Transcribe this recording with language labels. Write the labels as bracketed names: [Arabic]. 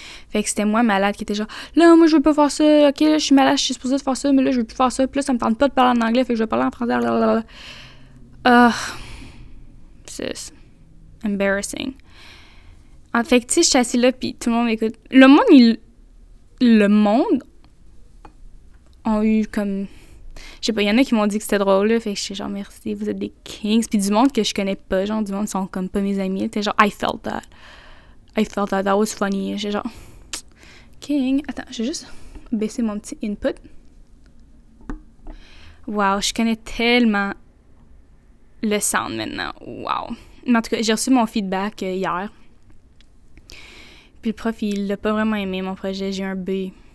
[French] Fait que c'était moi malade qui était genre, là, moi je veux pas faire ça, ok, là, je suis malade, je suis supposée de faire ça, mais là je veux plus faire ça, plus ça me tente pas de parler en anglais, fait que je vais parler en français. [English] Sis. Embarrassing. [French] En fait, tu sais, je suis assise là, pis tout le monde écoute. Le monde ont eu comme... Je sais pas, il y en a qui m'ont dit que c'était drôle, là. Fait que j'étais genre, merci, vous êtes des kings. Puis du monde que je connais pas, genre, du monde qui sont comme pas mes amis. T'es genre, [English] I felt that, that was funny. [French] J'étais genre, king. Attends, je vais juste baisser mon petit input. Wow, je connais tellement le sound maintenant. Wow. Mais en tout cas, j'ai reçu mon feedback hier. Puis le prof, il l'a pas vraiment aimé, mon projet. J'ai un B.